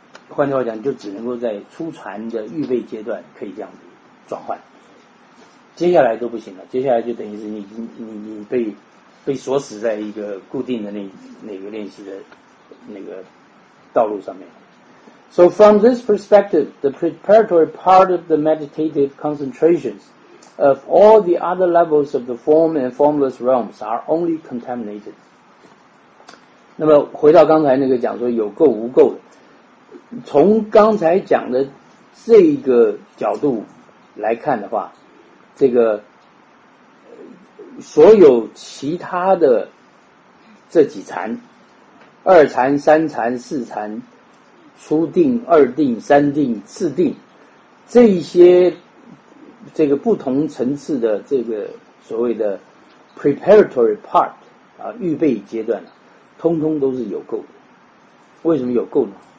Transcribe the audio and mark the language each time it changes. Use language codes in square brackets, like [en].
[zh] 换句话讲，就只能够在初禅的预备阶段可以这样子转换，接下来都不行了。接下来就等于是你被锁死在一个固定的那个练习的那个道路上面。 [en] So from this perspective, the preparatory part of the meditative concentrations of all the other levels of the form and formless realms are only contaminated. [zh] 那么回到刚才那个讲说有垢无垢的。从刚才讲的这个角度来看的话，这个所有其他的这几禅，二禅、三禅、四禅、初定、二定、三定、四定，这些这个不同层次的这个所谓的 preparatory part 啊，预备阶段，通通都是有垢的。为什么有垢呢？